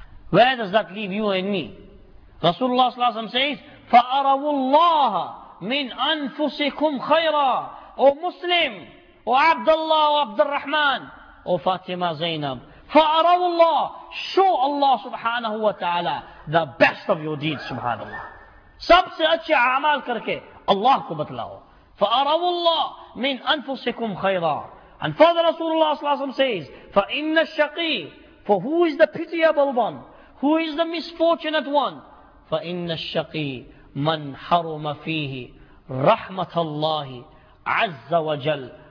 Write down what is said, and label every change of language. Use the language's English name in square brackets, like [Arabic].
[English] Where does that leave you and me? Rasulullah sallallahu alayhi wa sallam says, [Arabic] فَأَرَوُ اللَّهَ مِنْ أَنفُسِكُمْ خَيْرًا. [English] O Muslim, O Abdullah, O Abdurrahman, O Fatima Zainab, [Arabic] فَأَرَوُ اللَّهَ. [English] Show Allah subhanahu wa ta'ala the best of your deeds, subhanAllah. [Urdu] سب سے اچھے عمال کر کے اللہ کو بتلاو. [Arabic] فَأَرَوُ اللَّهَ مِنْ أَنفُسِكُمْ خَيْرًا. [English] And further Rasulullah sallallahu alayhi wa sallam says, [Arabic] فَإِنَّ الشَّقِيِّ. [English] For who is the pitiable one? Who is the misfortunate one? [Arabic] فَإِنَّ الشَّقِيِّ مَنْ حَرُمَ فِيهِ رَحْمَةَ اللَّهِ عَزَّ وَجَلْ.